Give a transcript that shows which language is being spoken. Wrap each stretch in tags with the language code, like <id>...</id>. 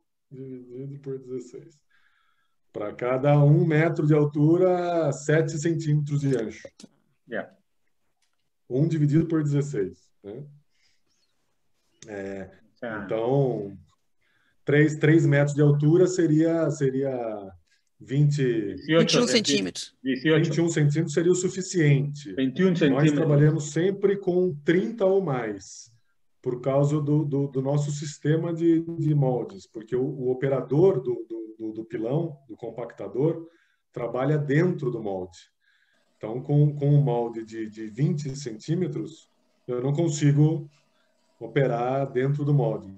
<es>Dividido por 16. Para cada 1 metro de altura, 7 centímetros de ancho.</es> <en>Yeah.</en> <pt>1 dividido por 16. Né? Então, 3 metros de altura seria 20... 21 centímetros. 21 centímetros seria o suficiente. 21 centímetros. Nós trabalhamos sempre com 30 ou mais. Por causa do nosso sistema de moldes, porque o operador do pilão, do compactador, trabalha dentro do molde. Então, com um molde de 20 centímetros, eu não consigo operar dentro do molde.</pt>